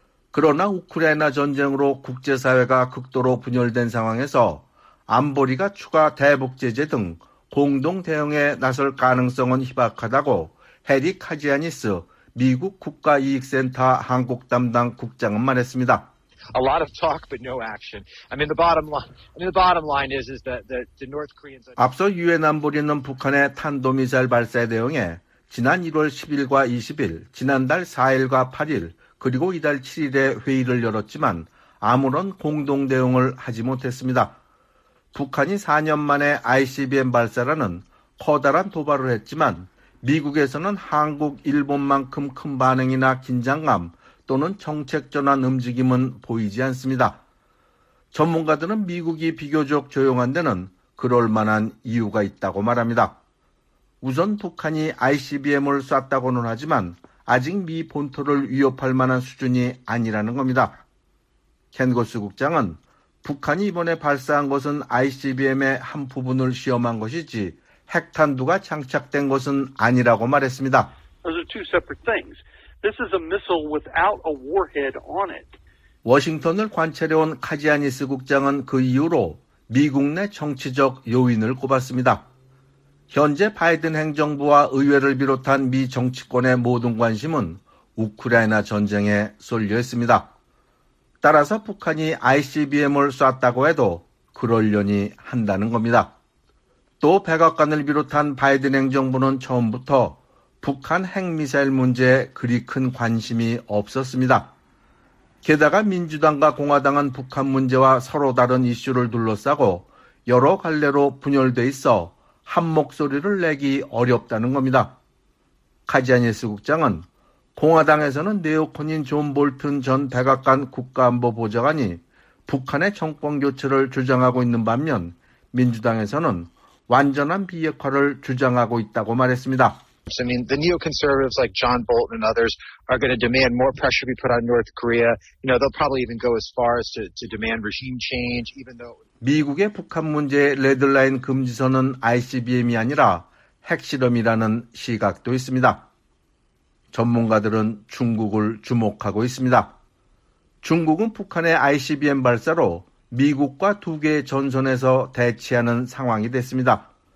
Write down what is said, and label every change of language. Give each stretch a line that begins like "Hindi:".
Korean: 그러나 우크라이나 전쟁으로 국제사회가 극도로 분열된 상황에서 안보리가 추가 대북제재 등 공동 대응에 나설 가능성은 희박하다고 해리 카지아니스 미국 국가이익센터 한국 담당 국장은 말했습니다.
English: A lot of talk but no action. I mean the bottom line is that the North Koreans
Korean: 앞서 유엔 안보리는 북한의 탄도미사일 발사에 대응해 지난 1월 10일과 20일, 지난달 4일과 8일 그리고 이달 7일에 회의를 열었지만 아무런 공동 대응을 하지 못했습니다. 북한이 4년 만에 ICBM 발사라는 커다란 도발을 했지만 미국에서는 한국, 일본만큼 큰 반응이나 긴장감 또는 정책 전환 움직임은 보이지 않습니다. 전문가들은 미국이 비교적 조용한 데는 그럴 만한 이유가 있다고 말합니다. 우선 북한이 ICBM을 쐈다고는 하지만 아직 미 본토를 위협할 만한 수준이 아니라는 겁니다. 켄 고스 국장은 북한이 이번에 발사한 것은 ICBM의 한 부분을 시험한 것이지 핵탄두가 장착된 것은 아니라고 말했습니다.
English: Those are two separate things. This is a missile without a warhead on it.
Korean: 워싱턴을 관찰해온 카지아니스 국장은 그 이유로 미국 내 정치적 요인을 꼽았습니다. 현재 바이든 행정부와 의회를 비롯한 미 정치권의 모든 관심은 우크라이나 전쟁에 쏠려 있습니다. 따라서 북한이 ICBM을 쐈다고 해도 그럴려니 한다는 겁니다. 또 백악관을 비롯한 바이든 행정부는 처음부터 북한 핵미사일 문제에 그리 큰 관심이 없었습니다. 게다가 민주당과 공화당은 북한 문제와 서로 다른 이슈를 둘러싸고 여러 갈래로 분열돼 있어 한 목소리를 내기 어렵다는 겁니다. 카지아니스 국장은 공화당에서는 네오콘인 존 볼튼 전 백악관 국가안보보좌관이 북한의 정권교체를 주장하고 있는 반면 민주당에서는 완전한 비핵화를 주장하고 있다고 말했습니다.
English: I mean, the neoconservatives like John Bolton and others are going to demand more pressure be put on North Korea. You know, they'll probably even go as far as to demand regime change, even though.
Korean: 미국의 북한 문제 레드라인 금지선은 ICBM이 아니라 핵실험이라는 시각도 있습니다. 전문가들은 중국을 주목하고 있습니다. 중국은 북한의 ICBM 발사로 미국과 두 개의 전선에서 대치하는 상황이 됐습니다.